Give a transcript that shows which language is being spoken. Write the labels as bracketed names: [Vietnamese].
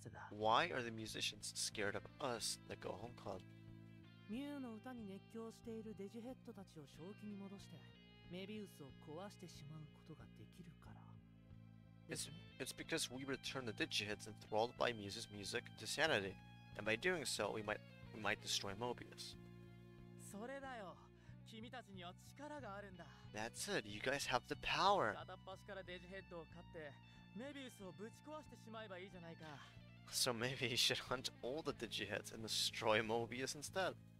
[English] Why are the musicians scared of us, the Gohon Club? [Japanese] Mew の歌に熱狂しているデジヘッドたちを正気に戻して、メビウスを壊してしまうことができるから。 [English] It's because we return the Digiheads enthralled by Mew's music to sanity, and by doing so, we might destroy Mobius. [Japanese] それだよ。君たちには力があるんだ。 [English] That's it. You guys have the power. [Japanese] 片っ端からデジヘッドを買って、メビウスをぶち壊してしまえばいいじゃないか。 [English] So maybe you should hunt all the Digiheads and destroy Mobius instead.